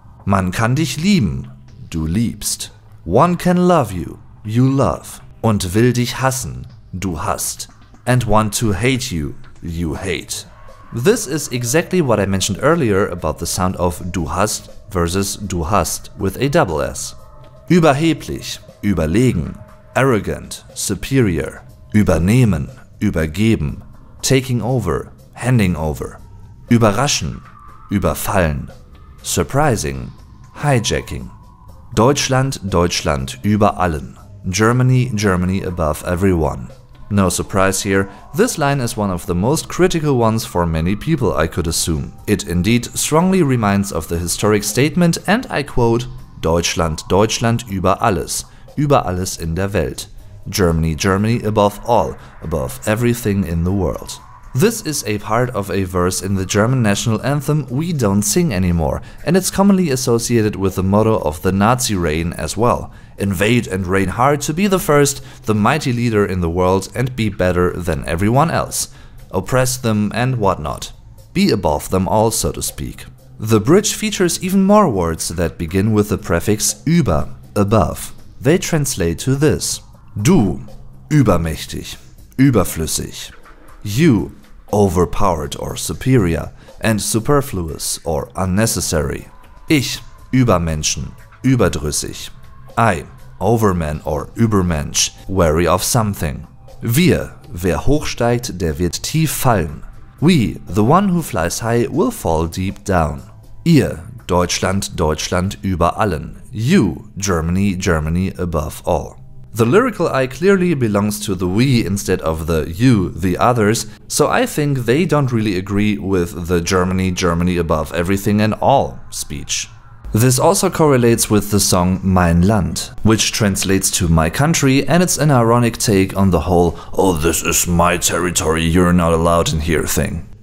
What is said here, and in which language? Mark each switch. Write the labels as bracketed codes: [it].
[de] Man kann dich lieben, du liebst. [en] One can love you, you love. [de] Und will dich hassen, du hast. [en] And want to hate you, you hate. This is exactly what I mentioned earlier about the sound of du hast versus du hast with a double S. [de] Überheblich, überlegen. [en] Arrogant, superior. [de] Übernehmen, übergeben. [en] Taking over, handing over. [de] Überraschen, überfallen. [en] Surprising, hijacking. [de] Deutschland, Deutschland, über allen. [en] Germany, Germany, above everyone. No surprise here, this line is one of the most critical ones for many people, I could assume. It indeed strongly reminds of the historic statement, and I quote, [de] Deutschland, Deutschland, über alles in der Welt. [en] Germany, Germany, above all, above everything in the world. This is a part of a verse in the German national anthem we don't sing anymore, and it's commonly associated with the motto of the Nazi reign as well. Invade and reign hard to be the first, the mighty leader in the world and be better than everyone else. Oppress them and whatnot. Be above them all, so to speak. The bridge features even more words that begin with the prefix über, above. They translate to this. [de] Du, übermächtig, überflüssig. [en] You, overpowered or superior, and superfluous or unnecessary. [de] Ich, übermenschen, überdrüssig. [en] I, overman or übermensch, wary of something. [de] Wir, wer hochsteigt, der wird tief fallen. [en] We, the one who flies high, will fall deep down. [de] Ihr, Deutschland, Deutschland, über allen. [en] You, Germany, Germany, above all. The lyrical I clearly belongs to the we instead of the you, the others, so I think they don't really agree with the Germany, Germany above everything and all speech. This also correlates with the song Mein Land, which translates to my country, and it's an ironic take on the whole, oh, this is my territory, you're not allowed in here thing.